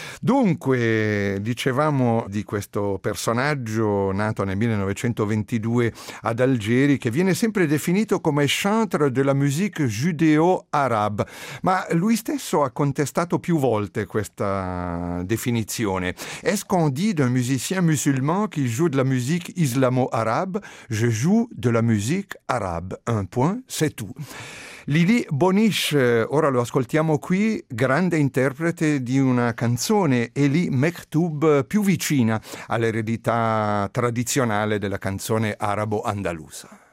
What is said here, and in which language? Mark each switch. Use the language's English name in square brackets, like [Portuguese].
[Italian] Dunque, dicevamo di questo personaggio nato nel 1922 ad Algeri, che viene sempre definito come [French] chanteur de la musique judéo-arabe, [Italian] ma lui stesso ha contestato più volte questa definizione. [French] Est-ce qu'on dit d'un musicien musulman qui joue de la musique islamo-arabe? Je joue de la musique arabe. Un point, c'est tout. [Italian] Lili Boniche, ora lo ascoltiamo qui, grande interprete di una canzone, Eli Mektoub, più vicina all'eredità tradizionale della canzone arabo-andalusa.